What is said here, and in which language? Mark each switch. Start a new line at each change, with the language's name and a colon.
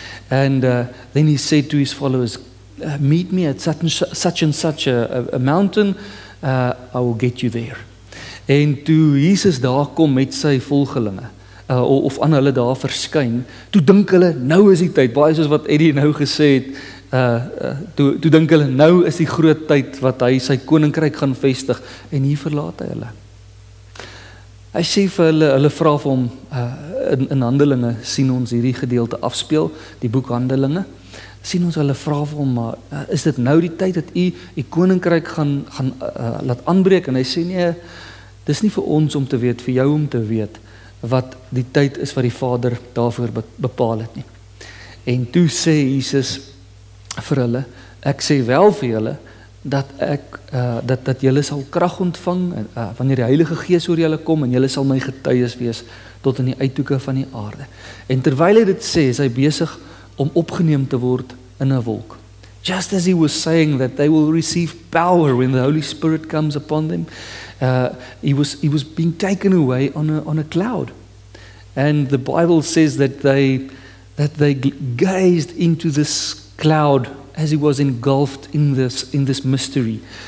English: And then he said to his followers, meet me at such and such a mountain, I will get you there.
Afrikaans: En toe Jesus daar kom met sy volgelinge, of aan hulle daar verskyn, toe dink hulle, nou is die tyd, baie soos wat Eddie nou gesê het, toe dink hulle, nou is die groot tyd wat hy sy koninkryk gaan vestig, en hier verlaat hy hulle. Hy sê vir hulle, hulle vraag om, in Handelinge sien ons hierdie gedeelte afspeel, die boek Handelinge, sien ons hulle vraag om, maar is dit nou die tyd dat hy koninkryk gaan laat aanbreek? En hy sê, nee, dis nie vir ons om te weet, vir jou om te weet, wat die tyd is wat die Vader daarvoor bepaal het nie. En toe sê Jesus vir hulle, ek sê wel vir julle, dat julle sal krag ontvang, wanneer die Heilige Gees oor julle kom, en julle sal my getuies wees, tot in die uithoeke van die aarde. En terwyl hy dit sê, is hy besig om opgeneem te word in 'n wolk.
English: Just as he was saying that they will receive power when the Holy Spirit comes upon them, he was being taken away on a cloud. And the Bible says that they gazed into this cloud as he was engulfed in this mystery.